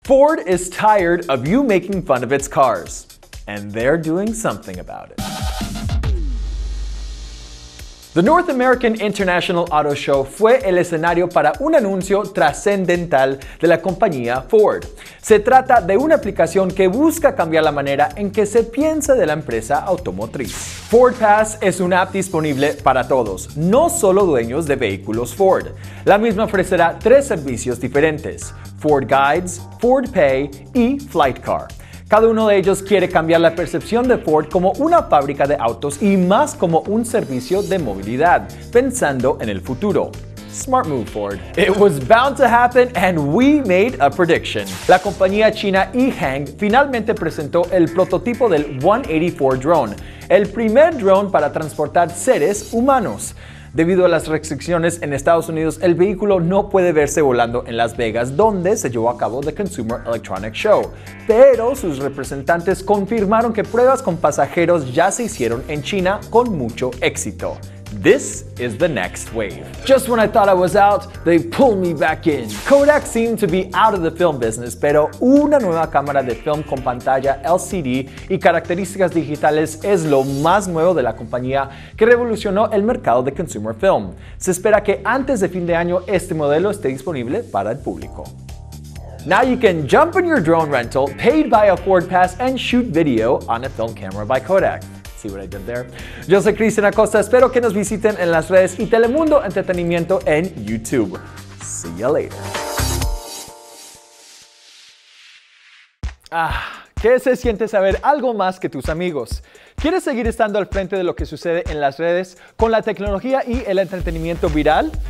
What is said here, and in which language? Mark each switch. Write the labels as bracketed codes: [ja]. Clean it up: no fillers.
[en] Ford is tired of you making fun of its cars, and they're doing something about it. [es] The North American International Auto Show fue el escenario para un anuncio trascendental de la compañía Ford. Se trata de una aplicación que busca cambiar la manera en que se piensa de la empresa automotriz. Ford Pass es una app disponible para todos, no solo dueños de vehículos Ford. La misma ofrecerá tres servicios diferentes: Ford Guides, Ford Pay y Flight Car. Cada uno de ellos quiere cambiar la percepción de Ford como una fábrica de autos y más como un servicio de movilidad, pensando en el futuro. [en] Smart move, Ford. It was bound to happen and we made a prediction. [es] La compañía china Yihang finalmente presentó el prototipo del 184 drone, el primer drone para transportar seres humanos. Debido a las restricciones en Estados Unidos, el vehículo no puede verse volando en Las Vegas, donde se llevó a cabo The Consumer Electronics Show. Pero sus representantes confirmaron que pruebas con pasajeros ya se hicieron en China con mucho éxito. [en] This is the next wave. Just when I thought I was out, they pulled me back in. Kodak seemed to be out of the film business, [es] pero una nueva cámara de film con pantalla LCD y características digitales es lo más nuevo de la compañía que revolucionó el mercado de consumer film. Se espera que antes de fin de año este modelo esté disponible para el público. [en] Now you can jump in your drone rental, paid by a Ford Pass, and shoot video on a film camera by Kodak. What I did there. [es] Yo soy Cristian Acosta, espero que nos visiten en las redes y Telemundo Entretenimiento en YouTube. [en] See you later. [es] ¿Qué se siente saber algo más que tus amigos? ¿Quieres seguir estando al frente de lo que sucede en las redes con la tecnología y el entretenimiento viral?